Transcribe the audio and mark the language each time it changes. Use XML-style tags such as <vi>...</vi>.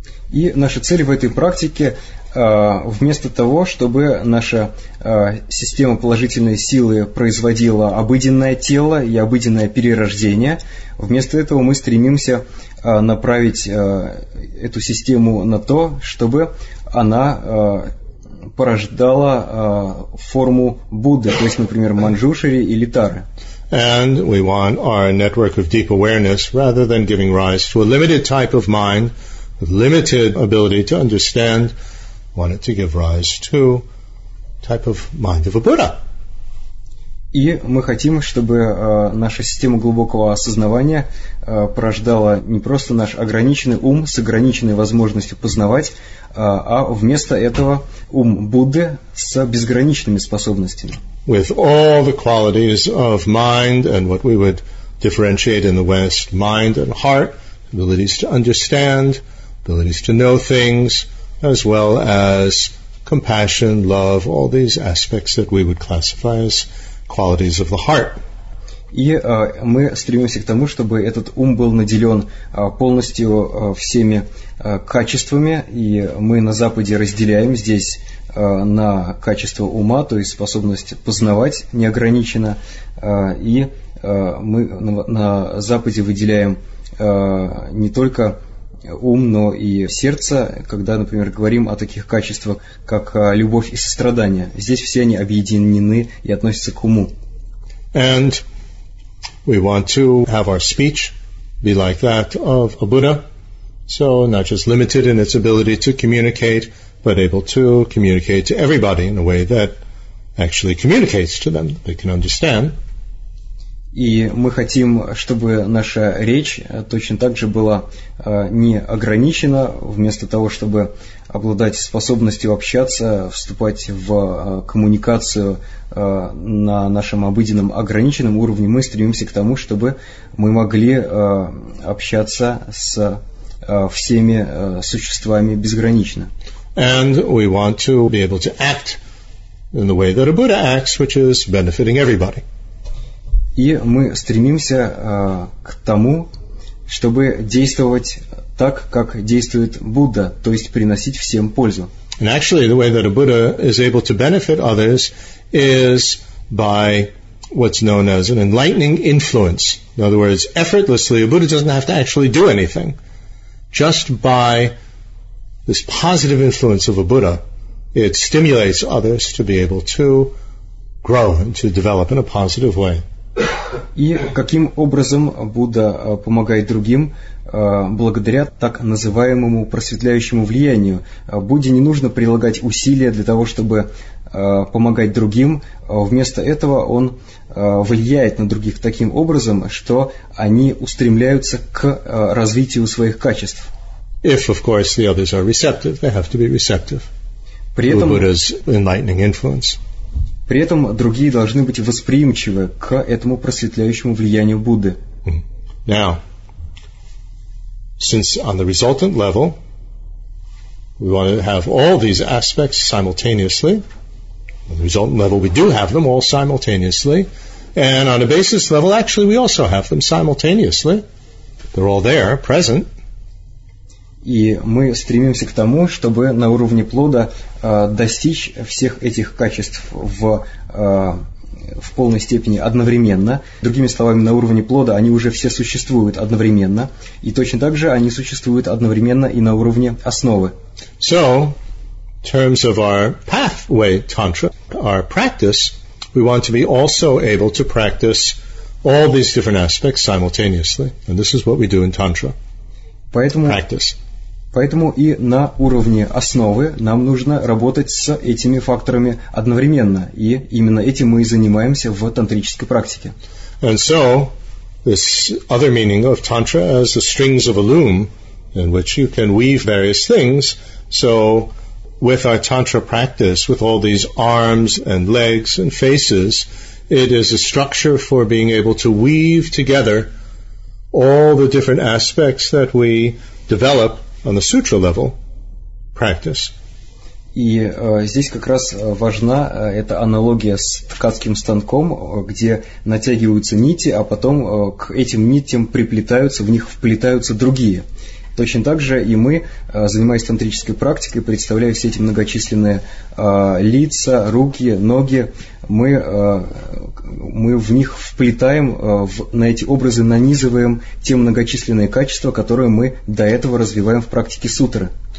<ru>И наша цель в этой практике, вместо того, чтобы наша система положительной силы производила обыденное тело и обыденное перерождение, вместо этого мы стремимся направить эту систему на то, чтобы она порождала форму Будды, то есть, например, Манджушери или Тары.</ru> <en>And we want our network of deep awareness, rather than giving rise to a limited type of mind, with limited ability to understand, want it to give rise to type of mind of a Buddha.</en> <ru>И мы хотим, чтобы наша система глубокого осознавания порождала не просто наш ограниченный ум с ограниченной возможностью познавать, а вместо этого ум Будды с безграничными способностями.</ru> <en>With all the qualities of mind and what we would differentiate in the West, mind and heart, abilities to understand, abilities to know things, as well as compassion, love, all these aspects that we would classify as qualities of the heart.</en> <ru>И мы стремимся к тому, чтобы этот ум был наделен полностью всеми качествами, и мы на Западе разделяем здесь на качество ума, то есть способность познавать неограниченно, и мы на Западе выделяем не только ум, но и сердце, когда, например, говорим о таких качествах, как любовь и сострадание. Здесь все они объединены и относятся к уму.</ru> <en>And we want to have our speech be like that of a Buddha, so not just limited in its ability to communicate, but able to communicate to everybody in a way that actually communicates to them, they can understand.</en> <ru>И мы хотим, чтобы наша речь точно так же была не ограничена, вместо того, чтобы обладать способностью общаться, вступать в коммуникацию на нашем обыденном ограниченном уровне, мы стремимся к тому, чтобы мы могли общаться с всеми существами безгранично.</ru> <en>And we want to be able to act in the way that a Buddha acts, which is benefiting everybody.</en> <ru>И мы стремимся к тому, чтобы действовать так, как действует Будда, то есть приносить всем пользу.</ru> <en>And actually, the way that a Buddha is able to benefit others is by what's known as an enlightening influence. In other words, effortlessly, a Buddha doesn't have to actually do anything. Just by this positive influence of a Buddha, it stimulates others to be able to grow and to develop in a positive way.</en> <ru>И каким образом Будда помогает другим, благодаря так называемому просветляющему влиянию? Будде не нужно прилагать усилия для того, чтобы помогать другим. Вместо этого он влияет на других таким образом, что они устремляются к развитию своих качеств.</ru> <en>If, of course, the others are receptive, they have to be receptive.</en> <ru>При этом</ru> <en>Buddha's enlightening influence.</en> <ru>При этом другие должны быть восприимчивы к этому просветляющему влиянию Будды.</ru> <en>Now, since on the resultant level, we want to have all these aspects simultaneously, on the resultant level we do have them all simultaneously, and on a basis level actually we also have them simultaneously. They're all there, present.</en> <ru>И мы стремимся к тому, чтобы на уровне плода достичь всех этих качеств в полной степени одновременно. Другими словами, на уровне плода они уже все существуют одновременно, и точно так же они существуют одновременно и на уровне основы.</ru> <en>So, in terms of our pathway tantra, our practice, we want to be also able to practice all these different aspects simultaneously. And this is what we do in tantra.</en> <ru>Поэтому</ru> <en>practice.</en> <ru>Поэтому и на уровне основы нам нужно работать с этими факторами одновременно. И именно этим мы и занимаемся в тантрической практике.</ru> <en>And so, this other meaning of tantra as the strings of a loom, in which you can weave various things. So, with our tantra practice, with all these arms and legs and faces, it is a structure for being able to weave together all the different aspects that we develop on the sutra level practice.</en> <ru>И здесь как раз важна эта аналогия с ткацким станком, где натягиваются нити, а потом к этим нитям приплетаются, в них вплетаются другие. Точно так же и мы, занимаясь тантрической практикой, представляя все эти многочисленные лица, руки, ноги, мы в них вплетаем, на эти образы нанизываем те многочисленные качества, которые мы до этого развиваем в практике сутры.</ru>